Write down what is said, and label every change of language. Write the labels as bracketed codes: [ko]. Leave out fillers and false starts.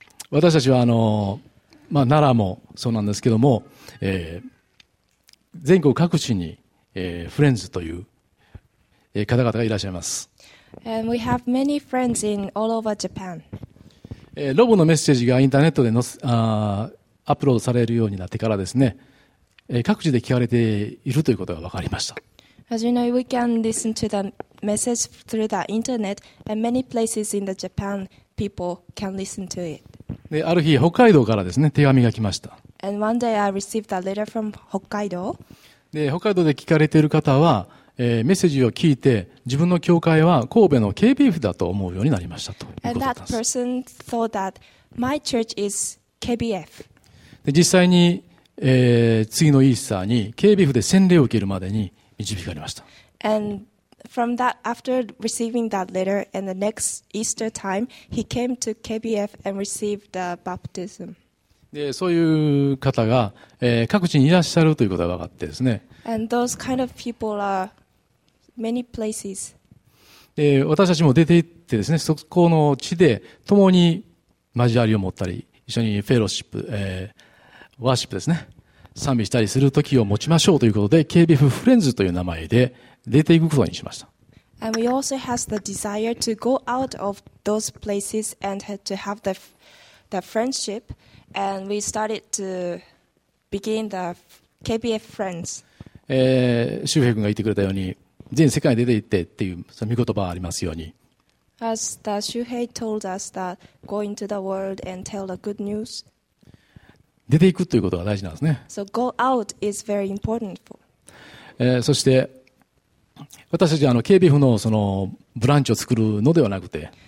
[ja] 私たちは奈良もそうなんですけども、全国各地に、フレンズという、方々がいらっしゃいます。 [en] And we have many friends in all over Japan. [ja] ロボのメッセージがインターネットでのアップロードされるようになってからですね、各地で聞かれているということが分かりました。 [en] As you know, we can listen to the message through the internet, and many places in the Japan, people can listen to it. [ja] で、ある日北海道からですね、手紙が来ました。 [en] And one day I received a letter from Hokkaido. [ja] で、北海道で聞かれている方は、メッセージを聞いて、自分の教会は神戸の KBF だと思うようになりましたということです。 [en] And that person thought that my church is KBF. [ja] で、実際に次のイースターに KBF で洗礼を受けるまでに導かれました。 [en] And from that, after receiving that letter, and the next Easter time, he came to KBF and received the baptism. [ja] で、そういう方が、各地にいらっしゃるということが分かってですね。 [en] And those kind of people are many places. [ja] で、私たちも出て行ってですね、そこの地で共に交わりを持ったり、一緒にフェローシップ、ワーシップですね、賛美したりする時を持ちましょうということで、KBF フレンズという名前で出ていくことにしました。 [en] And we also has the desire to go out of those places and to have the friendship, and we started to begin the KBF friends. [ja] 周平君が言ってくれたように、全世界に出て行ってっていうその御言葉がありますように。 [en] As the Shuhei told us that going to the world and tell the good news. [ja] 出ていくということが大事なんですね。 [en] So go out is very important for. [ja] そして私たちはあの KBF のそのブランチを作るのではなくて、